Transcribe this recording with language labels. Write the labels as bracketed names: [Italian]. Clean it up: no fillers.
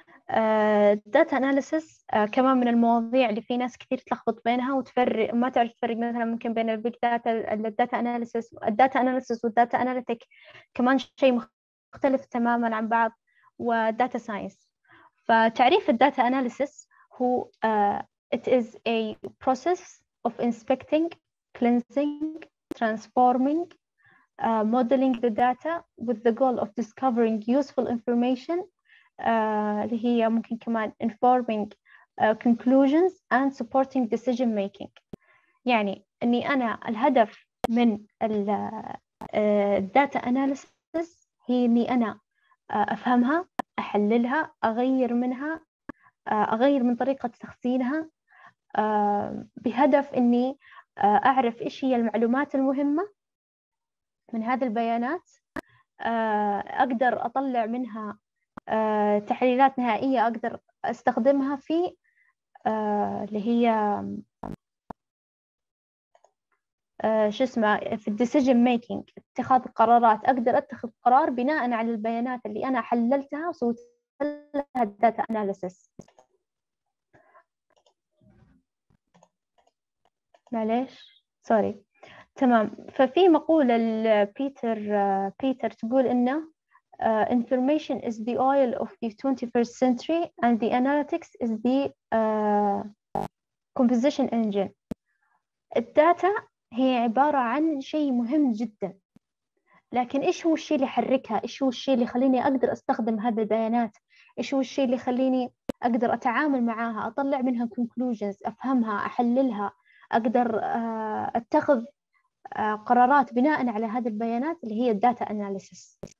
[Arabic] الداتا اناليسس كمان من المواضيع اللي في ناس كثير تلخبط بينها وتفرق، ما تعرف تفرق مثلا ممكن بين البيج داتا، الداتا اناليسس، الداتا اناليسس والداتا اناليتيك كمان شيء مختلف تماما عن بعض، وداتا ساينس. فتعريف الداتا اناليسس هو [English] it is a process of inspecting, cleansing, transforming, modeling the data with the goal of discovering useful information. [Arabic] اللي هي ممكن كمان [English] informing conclusions and supporting decision making. [Arabic] يعني أني أنا الهدف من الداتا analysis هي أني أنا أفهمها، أحللها، أغير منها، أغير من طريقة تخزينها، بهدف أني أعرف إيش هي المعلومات المهمة من هذه البيانات، أقدر أطلع منها تحليلات نهائية أقدر أستخدمها في اللي هي شو اسمه في decision making، اتخاذ القرارات، أقدر أتخذ قرار بناء على البيانات اللي أنا حللتها وسويت لها data analysis. معليش سوري. تمام، ففي مقولة لبيتر بيتر تقول إنه [English] information is the oil of the 21st century and the analytics is the composition engine. [Arabic] الداتا هي عبارة عن شيء مهم جدا، لكن إيش هو الشيء اللي يحركها؟ إيش هو الشيء اللي يخليني أقدر أستخدم هذه البيانات؟ إيش هو الشيء اللي يخليني أقدر أتعامل معها، أطلع منها conclusions، أفهمها، أحللها، أقدر أتخذ قرارات بناء على هذه البيانات اللي هي الداتا analysis.